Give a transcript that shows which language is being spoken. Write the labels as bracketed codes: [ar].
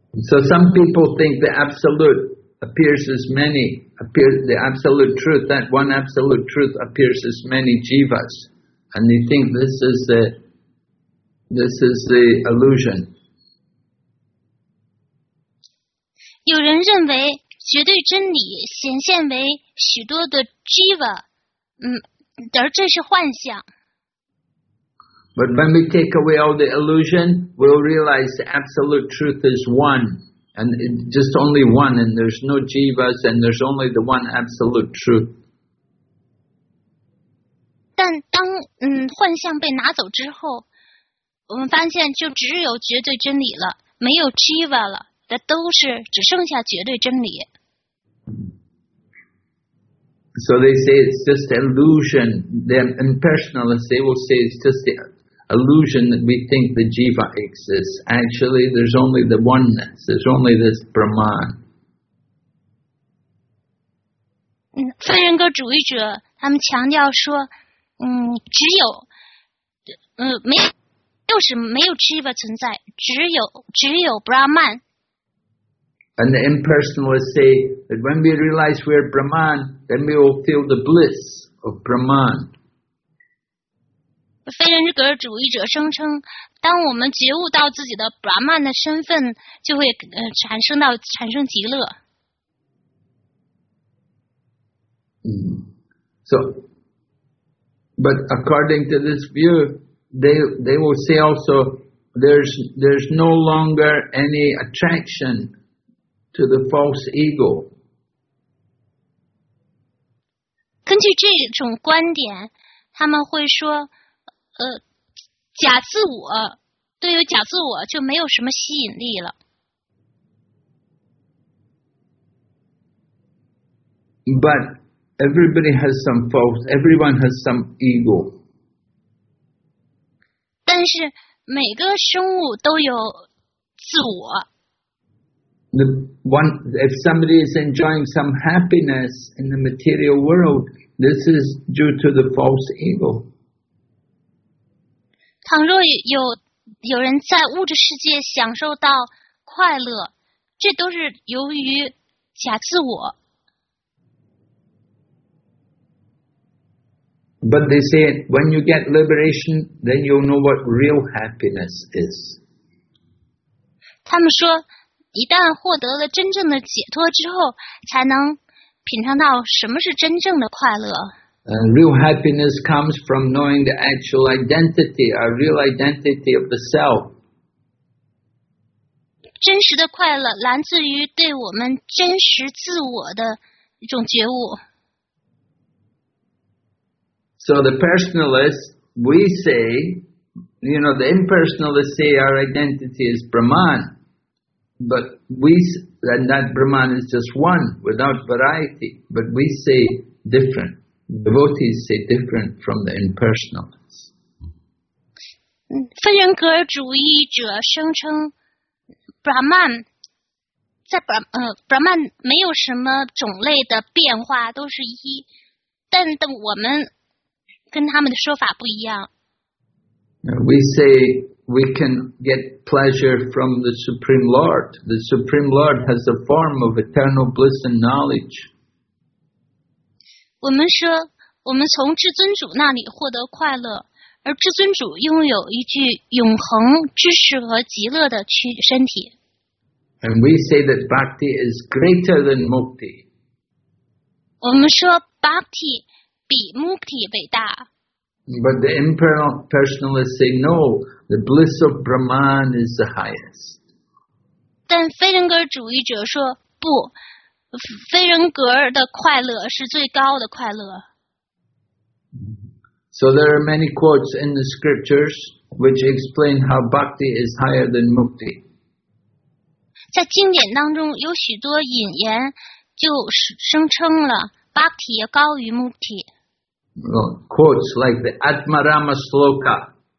[en] So some people think the absolute appears as many, appears as many jivas, and they think this is the illusion. [zh] 有人认为绝对真理显现为许多的 jiva, 而这是幻象。 [en] But when we take away all the illusion, we'll realize the absolute truth is one, and just only one, and there's no jivas, and there's only the one absolute truth. [zh] 但当幻象被拿走之后，我们发现就只有绝对真理了，没有 jiva 了，那都是只剩下绝对真理。 [en] So they say it's just illusion. The impersonalists, they will say it's just the illusion that we think the jiva exists. Actually, there's only the oneness. There's only this Brahman. [zh] 分人格主义者他们强调说，只有，没有，就是没有 jiva 存在，只有 Brahman. [en] And the impersonalists say that when we realize we're Brahman, then we will feel the bliss of Brahman. [zh] 非人格主义者声称，当我们觉悟到自己的 Brahman 的身份，就会产生极乐。 [en] So, but according to this view, they will say also there's no longer any attraction to the false ego. [zh] 根据这种观点，他们会说。假自我，对于假自我就没有什么吸引力了。 [en] But everybody has some false, everyone has some ego. [zh] 但是每个生物都有自我。 [en] If somebody is enjoying some happiness in the material world, this is due to the false ego. [zh] 倘若有人在物质世界享受到快乐，这都是由于假自我。 [en] But they say when you get liberation, then you'll know what real happiness is. [zh] 他们说，一旦获得了真正的解脱之后，才能品尝到什么是真正的快乐。 [en] Real happiness comes from knowing the actual identity, our real identity of the self. [zh] 真实的快乐来自于对我们真实自我的一种觉悟。 [en] So the personalists, we say, you know, the impersonalists say our identity is Brahman, but we, and that Brahman is just one, without variety, but we say different. Devotees say different from the impersonalists. [zh] 分人格主义者声称 Brahman, 在 Brahman 没有什么种类的变化，都是一，但我们跟他们的说法不一样。 [en] We say we can get pleasure from the Supreme Lord. The Supreme Lord has a form of eternal bliss and knowledge. [zh] 我们说，我们从至尊主那里获得快乐，而至尊主拥有一具永恒知识和极乐的身体。 [en] And we say that bhakti is greater than mukti. [zh] 我们说 bhakti比 mukti 伟大。 [en] But the impersonalists say no, the bliss of Brahman is the highest. [zh] 但非人格主义者说不，非人格的快乐是最高的快乐。 [en] So there are many quotes in the scriptures which explain how bhakti is higher than mukti. [zh] 在经典当中有许多引言就声称了 bhakti 高于 mukti。 [en] Quotes like the Atmarama Sloka.